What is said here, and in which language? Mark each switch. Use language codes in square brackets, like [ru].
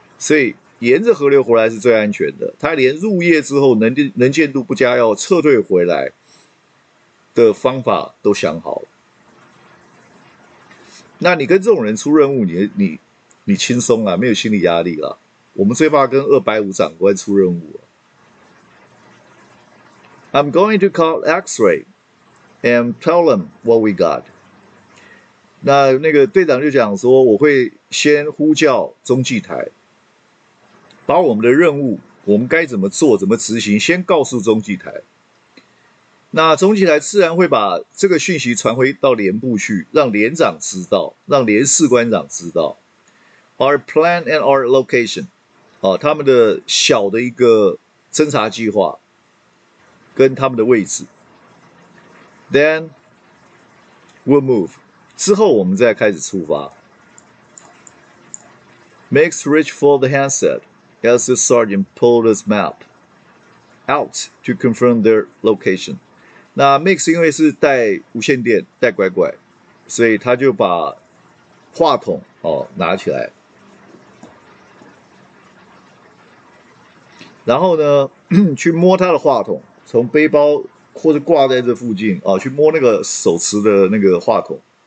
[zh] 所以沿着河流回来是最安全的。他连入夜之后能见度不佳要撤退回来的方法都想好了。那你跟这种人出任务，你轻松啊，没有心理压力啊。我们最怕跟250长官出任务。 [en] I'm going to call X-ray and tell them what we got. [zh] 那个队长就讲说，我会先呼叫中继台，把我们的任务，我们该怎么做，怎么执行，先告诉中继台。那中继台自然会把这个讯息传回到连部去，让连长知道，让连士官长知道。 [en] Our plan and our location， [zh] 他们的小的一个侦察计划。跟他们的位置 ， [en] then we'll move。 [zh] 之后我们再开始出发。 [en] Mix reached for the handset as the sergeant pulled his map out to confirm their location。 [zh] 那 Mix 因为是带无线电、带乖乖，所以他就把话筒拿起来。然后呢，去摸他的话筒。从背包或者挂在这附近啊，去摸那个手持的那个话筒。